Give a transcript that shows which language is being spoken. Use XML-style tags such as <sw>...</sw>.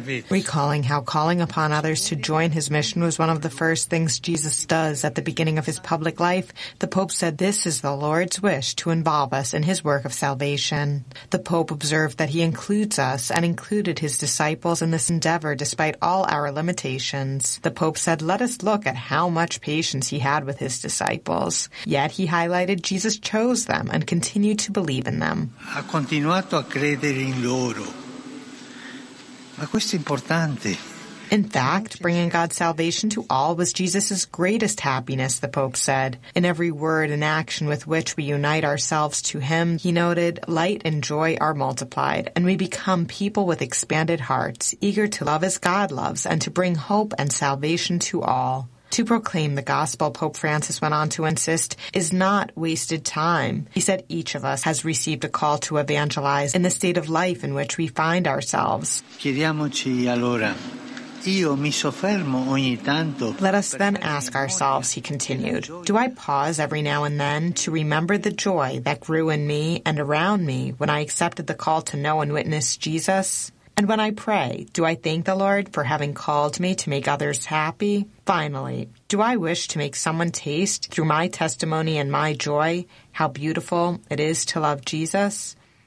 <en>Recalling how calling upon others to join his mission was one of the first things Jesus does at the beginning of his public life, the Pope said this is the Lord's wish to involve us in his work of salvation. The Pope observed that he includes us and included his disciples in this endeavor despite all our limitations. The Pope said, let us look at how much patience he had with his disciples. Yet he highlighted Jesus chose them and continued to believe in them.</en> <it>Ha continuato a credere in loro.</it> <en>In fact, bringing God's salvation to all was Jesus' greatest happiness, the Pope said. In every word and action with which we unite ourselves to him, he noted, light and joy are multiplied, and we become people with expanded hearts, eager to love as God loves and to bring hope and salvation to all. To proclaim the gospel, Pope Francis went on to insist, is not wasted time. He said each of us has received a call to evangelize in the state of life in which we find ourselves.</en> <it>Chiediamoci allora. Io mi soffermo ogni tanto.</it> <en>Let us then ask ourselves, he continued, do I pause every now and then to remember the joy that grew in me and around me when I accepted the call to know and witness Jesus? And when I pray, do I thank the Lord for having called me to make others happy? Finally, do I wish to make someone taste, through my testimony and my joy, how beautiful it is to love Jesus?</en>